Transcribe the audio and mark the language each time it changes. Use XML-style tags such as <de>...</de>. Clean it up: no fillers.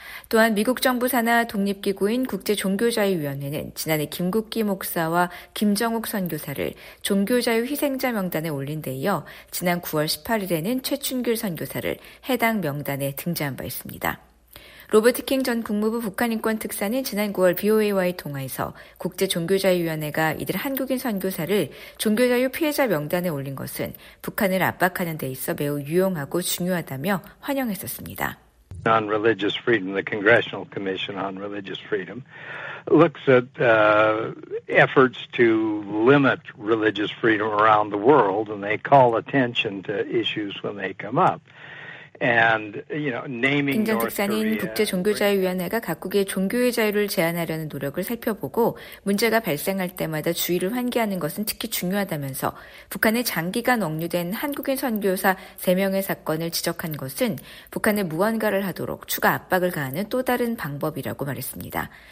<ko>또한 미국 정부 산하 독립기구인 국제종교자유위원회는 지난해 김국기 목사와 김정욱 선교사를 종교자유 희생자 명단에 올린 데 이어 지난 9월 18일에는 최춘길 선교사를 해당 명단에 등재한 바 있습니다. 로버트 킹 전 국무부 북한인권특사는 지난 9월 BOA와의 통화에서 국제종교자유위원회가 이들 한국인 선교사를 종교자유 피해자 명단에 올린 것은 북한을 압박하는 데 있어 매우 유용하고 중요하다며 환영했었습니다.</ko> <en>Non-religious freedom, the Congressional Commission on Religious Freedom looks at efforts to limit religious freedom around the world and they call attention to issues when they come up.</en> <ko>킹 전 특사는 국제종교자유위원회가 각국의 종교의 자유를 제한하려는 노력을 살펴보고 문제가 발생할 때마다 주의를 환기하는 것은 특히 중요하다면서 북한에 장기간 억류된 한국인 선교사 3명의 사건을 지적한 것은 북한에 무언가를 하도록 추가 압박을 가하는 또 다른 방법이라고 말했습니다.</ko>